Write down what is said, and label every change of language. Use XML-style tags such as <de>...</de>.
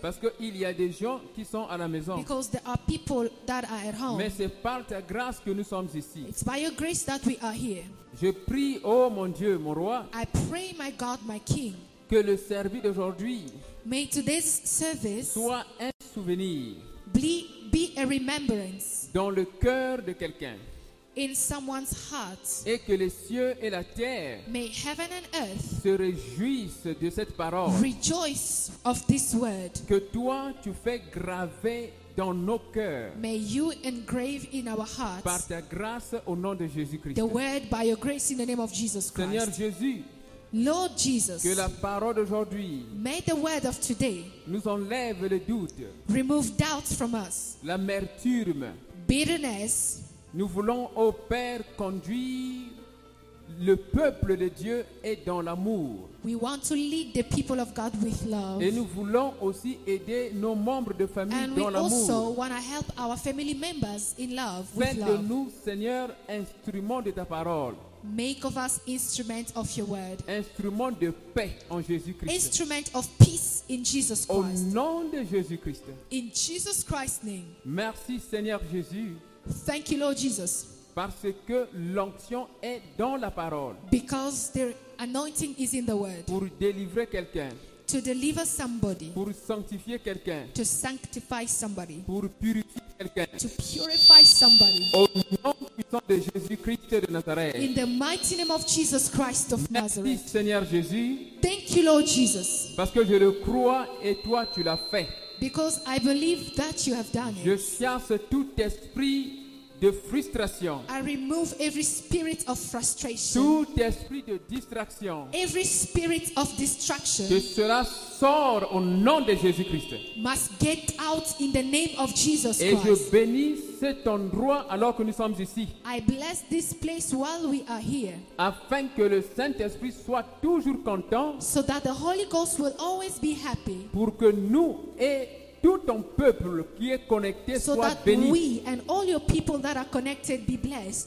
<fr>Parce qu'il y a des gens qui sont à la maison.</fr> <en>Because there are people that are at home.</en> <fr>Mais c'est par ta grâce que nous sommes ici.</fr> <en>It's by your grace that we are here.</en> <fr>Je prie, oh mon Dieu, mon roi.</fr> <en>I pray, my God, my King.</en> <fr>Que le service d'aujourd'hui.</fr> <en>May today's service.</en> <fr>Soit un souvenir.</fr> <en>Be a remembrance.</en> <fr>Dans le cœur de quelqu'un.</fr> <en>In someone's heart.</en> <fr>Et que les cieux et la terre.</fr> <en>May heaven and earth.</en> <fr>Se réjouissent de cette parole.</fr> <en>Rejoice of this word.</en> <fr>Que toi tu fais graver dans nos cœurs.</fr> <en>May you engrave in our hearts.</en> <fr>Par ta grâce au nom de Jésus-Christ.</fr> <en>The word by your grace in the name of Jesus Christ.</en> <fr>Seigneur Jésus.</fr> <en>Lord Jesus,</en> <fr>que la parole d'aujourd'hui,</fr> <en>may the word of today,</en> <fr>nous enlève les doutes,</fr> <en>remove doubts from us,</en> <fr>l'amertume,</fr> <en>bitterness.</en> <fr>Nous voulons, ô Père, conduire le peuple de Dieu et dans l'amour.</fr> <en>We want to lead the people of God with love.</en> <fr>Et nous voulons aussi aider nos membres de famille</fr> <en>and</en> <fr>dans l'amour.</fr> <en>And we also want to help our family members in love.</en> <fr>Fais de nous, Seigneur, instruments de ta parole.</fr> <en>Make of us instruments of your word.</en> <fr>Instrument de paix en Jésus-Christ.</fr> <en>Instrument of peace in Jesus Christ.</en> <fr>Au nom de Jésus-Christ.</fr> <en>In Jesus Christ's name.</en> <fr>Merci Seigneur Jésus.</fr> <en>Thank you Lord Jesus.</en> <fr>Parce que l'onction est dans la parole.</fr> <en>Because the anointing is in the word.</en> <fr>Pour délivrer quelqu'un.</fr> <en>To deliver somebody.</en> <fr>Pour sanctifier quelqu'un.</fr> <en>To sanctify somebody.</en> <fr>Pour purifier quelqu'un.</fr> <en>To purify somebody.</en> <fr>Au nom puissant de Jésus-Christ de Nazareth.</fr> <en>In the mighty name of Jesus Christ of Nazareth.</en> <fr>Merci Seigneur Jésus.</fr> <en>Thank you Lord Jesus.</en> <fr>Parce que je le crois et toi tu l'as fait.</fr> <en>Because I believe that you have done it.</en> <fr>Je chasse tout esprit de frustration.</fr> <en>I remove every spirit of frustration.</en> <fr>Tout esprit de distraction.</fr> <en>Every spirit of distraction.</en> <fr>Que cela sort au nom de Jésus-Christ.</fr> <en>Must get out in the name of Jesus</en> <fr>Et</fr> <en>Christ.</en> <fr>Et je bénis cet endroit alors que nous sommes ici.</fr> <en>I bless this place while we are here.</en> <fr>Afin que le Saint-Esprit soit toujours content.</fr> <en>So that the Holy Ghost will always be happy.</en> <fr>Pour que nous et tout ton peuple qui est connecté</fr> <en>so</en> <fr>soit béni.</fr> <en>We and all your people that are connected be blessed.</en>